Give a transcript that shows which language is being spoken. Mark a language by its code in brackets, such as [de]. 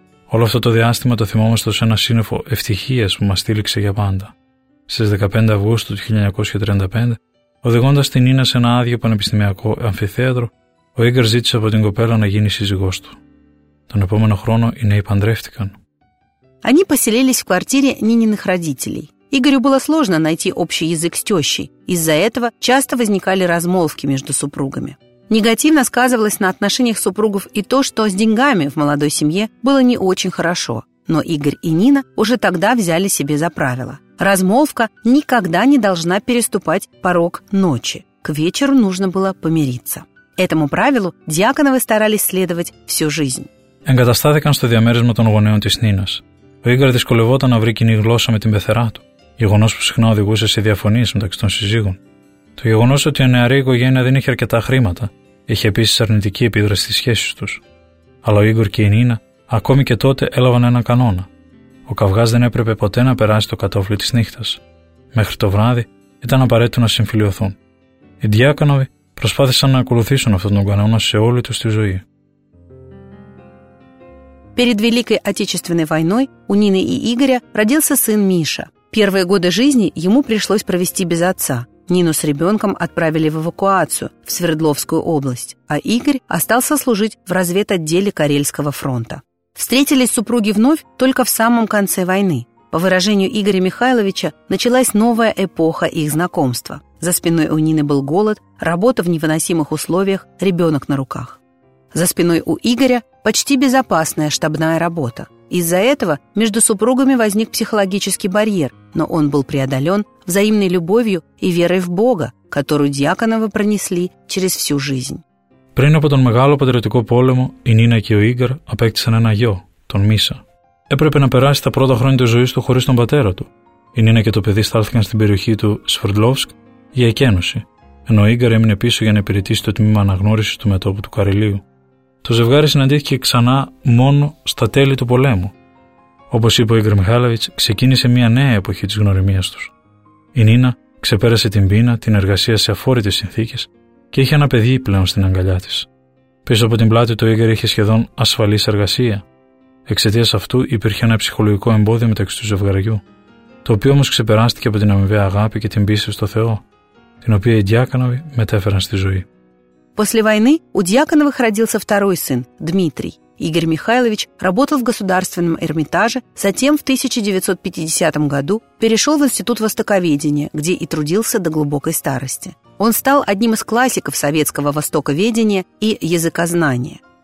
[el] Όλο αυτό το διάστημα το θυμόμαστε ως ένα σύννεφο ευτυχίας που μας στήληξε για πάντα. Στις 15 Αυγούστου του 1935, οδηγώντας την Νίνα σε ένα άδειο πανεπιστημιακό αμφιθέατρο, ο Ίγκορ ζήτησε από την κοπέλα να γίνει σύζυγός του. Τον επόμενο χρόνο οι νέοι παντρεύτηκαν. [ru] Они поселились в квартире Нининых родителей. Игорю было сложно найти общий язык с тещей. Из-за этого часто возникали размолвки между супругами. Негативно сказывалось на отношениях супругов и то, что с деньгами в молодой семье было не очень хорошо. Но Игорь и Нина уже тогда взяли себе за правило. Размолвка никогда не должна переступать порог ночи. К вечеру нужно было помириться. Этому правилу Дьяконовы старались следовать всю жизнь. [el] Εγκαταστάθηκαν στο διαμέρισμα των γονέων της Νίνας. Ο Ίγκορ δυσκολευόταν να βρει κοινή γλώσσα με την πεθερά του, γεγονός που συχνά οδηγούσε σε διαφωνίες μεταξύ των συζύγων. Το γεγονός ότι η νεαρή οικογένεια δεν είχε αρκετά χρήματα είχε επίσης αρνητική επίδραση στις σχέσεις τους. Αλλά ο Ίγκορ και η Νίνα, ακόμη και τότε, έλαβαν έναν κανόνα. Ο καυγάς δεν έπρεπε ποτέ να περάσει το κατόφλι της νύχτας. Μέχρι το βράδυ ήταν απαραίτητο να συμφιλειωθούν. Οι Διάκονοβοι προσπάθησαν να ακολουθήσουν αυτόν τον κανόνα σε όλη τους τη ζωή. [ru] Перед Великой Отечественной войной у Нины и Игоря родился сын Миша. Первые годы жизни ему пришлось провести без отца. Нину с ребенком отправили в эвакуацию в Свердловскую область, а Игорь остался служить в разведотделе Карельского фронта. Встретились супруги вновь только в самом конце войны. По выражению Игоря Михайловича, началась новая эпоха их знакомства. За спиной у Нины был голод, работа в невыносимых условиях, ребенок на руках. За спиной у Игоря почти безопасная штабная работа. Из-за этого между супругами возник психологический барьер, но он был преодолен взаимной любовью и верой в Бога, которую Дьяконовы пронесли через всю жизнь. [el] Πριν από τον μεγάλο πατριωτικό πόλεμο, η Νίνα και ο Ίγκαρ απέκτησαν ένα γιο, τον Μίσα. Έπρεπε να περάσει τα πρώτα χρόνια της ζωής του χωρίς τον πατέρα του. Η Νίνα και το παιδί στάθηκαν στην περιοχή του Σφερντλόφσκ για εκένωση, ενώ ο Ίγκαρ έμεινε πίσω για να υπηρετήσει το τμήμα αναγνώρισης του μετόπου του Καρελίου. Το ζευγάρι συναντήθηκε ξανά μόνο στα τέλη του πολέμου. Όπως είπε ο Ίγκαρ Μιχάλεβιτς, ξεκίνησε μια νέα εποχή της γνωριμίας τους. Η Νίνα ξεπέρασε την πείνα, την εργασία σε αφόρητες συνθήκες και είχε ένα παιδί πλέον στην αγκαλιά της. Πίσω από την πλάτη του, ο Ίγκαρ είχε σχεδόν ασφαλής εργασία. Εξαιτίας αυτού υπήρχε ένα ψυχολογικό εμπόδιο μεταξύ του ζευγαριού, το οποίο όμως ξεπεράστηκε από την αμοιβαία αγάπη και την πίστη στο Θεό, την οποία οι Дьяконовы μετέφεραν στη ζωή. [ru] После войны у Дьяконовых родился второй сын, Дмитрий. Игорь Михайлович работал в государственном Эрмитаже, затем в 1950 году перешел в Институт востоковедения, где и трудился до глубокой старости. Он стал одним из классиков советского востоковедения и языкознания.